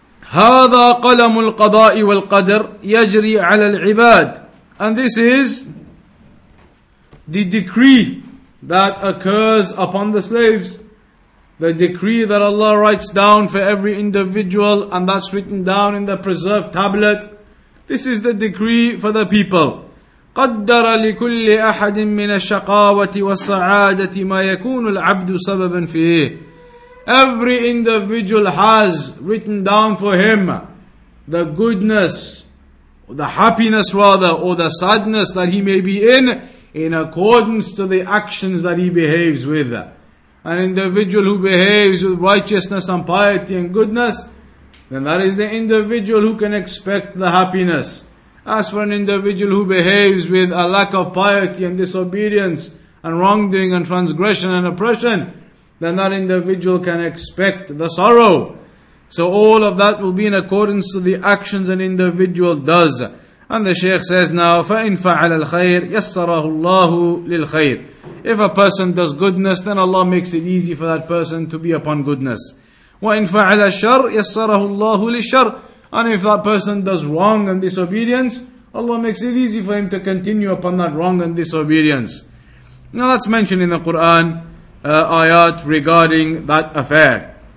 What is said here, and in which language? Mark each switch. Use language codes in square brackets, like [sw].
[ar] هذا قلم القضاء والقدر يجري على العباد, [en] and this is the decree that occurs upon the slaves, the decree that Allah writes down for every individual, and that's written down in the preserved tablet. This is the decree for the people. [ar] قدر لكل أحد من الشقاوة والسعادة ما يكون العبد سببا فيه. [en] Every individual has written down for him the goodness, the happiness rather, or the sadness that he may be in. in accordance to the actions that he behaves with. An individual who behaves with righteousness and piety and goodness, then that is the individual who can expect the happiness. As for an individual who behaves with a lack of piety and disobedience and wrongdoing and transgression and oppression, then that individual can expect the sorrow. So all of that will be in accordance to the actions an individual does. And the Shaykh says now, [ar] فَإِنْ فَعَلَ الْخَيْرِ يَسَّرَهُ اللَّهُ لِلْخَيْرِ. [en] If a person does goodness, then Allah makes it easy for that person to be upon goodness. [ar] وَإِنْ فَعَلَ الشَّرِ يَسَّرَهُ اللَّهُ لِلشَّرِ. [en] And if that person does wrong and disobedience, Allah makes it easy for him to continue upon that wrong and disobedience. Now that's mentioned in the Quran, ayat regarding that affair.